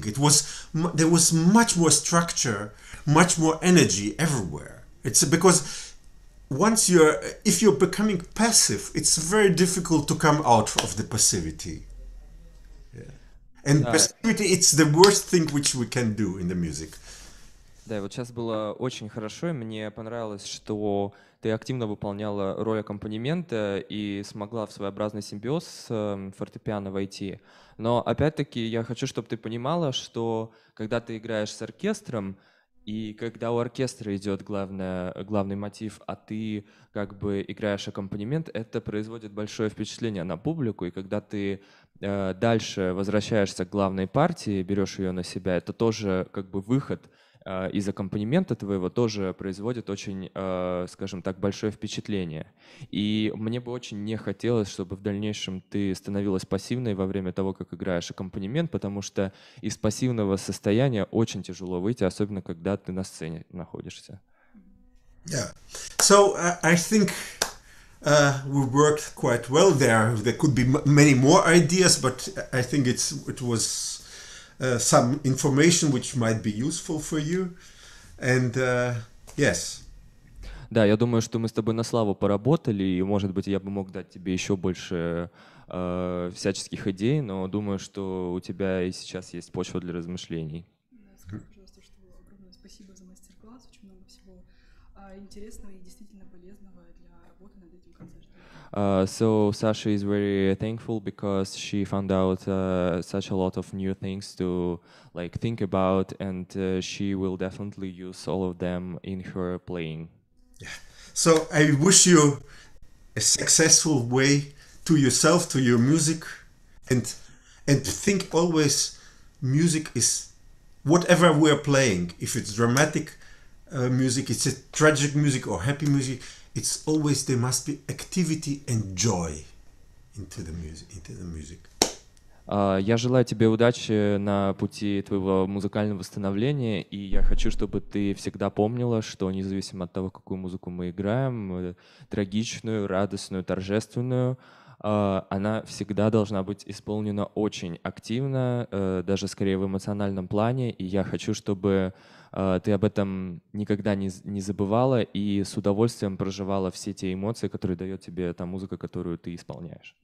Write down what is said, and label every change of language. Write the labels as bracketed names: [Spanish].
[English] There was much more structure, much more energy everywhere. It's because if you're becoming passive, it's very difficult to come out of the passivity. Yeah. And passivity, it's the worst thing which we can do in the music. [Russian] Да, и вот сейчас было очень хорошо, и мне понравилось, что ты активно выполняла роль аккомпанемента и смогла в своеобразный симбиоз с фортепиано войти. Но опять-таки я хочу, чтобы ты понимала, что когда ты играешь с оркестром, и когда у оркестра идет главный мотив, а ты как бы играешь аккомпанемент, это производит большое впечатление на публику, и когда ты дальше возвращаешься к главной партии, берешь ее на себя, это тоже как бы выход из аккомпанемента твоего тоже производит очень, скажем так, большое впечатление. И мне бы очень не хотелось, чтобы в дальнейшем ты становилась пассивной во время того, как играешь аккомпанемент, потому что из пассивного состояния очень тяжело выйти, особенно когда ты на сцене находишься. [English] Yeah. So, I think we worked quite well there. There could be many more ideas, but I think it was... some information which might be useful for you, and yes. [Russian] Да, я думаю, что мы с тобой на славу поработали, и, может быть, я бы мог дать тебе еще больше всяческих идей, но думаю, что у тебя и сейчас есть почва для размышлений. Скажи, пожалуйста, огромное спасибо за мастер-класс, очень много всего интересного и действительно полезного для работы над этим концертом. [English] So Sasha is very thankful because she found out such a lot of new things to like think about, and she will definitely use all of them in her playing. Yeah. So I wish you a successful way to yourself, to your music, and think always music is whatever we are playing. If it's dramatic music, it's a tragic music or happy music, it's always there must be activity and joy into the music. [Russian] Я желаю тебе удачи на пути твоего музыкального становления, и я хочу, чтобы ты всегда помнила, что независимо от того, какую музыку мы играем, трагичную, радостную, торжественную, она всегда должна быть исполнена очень активно, даже скорее в эмоциональном плане, и я хочу, чтобы ты об этом никогда не забывала и с удовольствием проживала все те эмоции, которые дает тебе та музыка, которую ты исполняешь.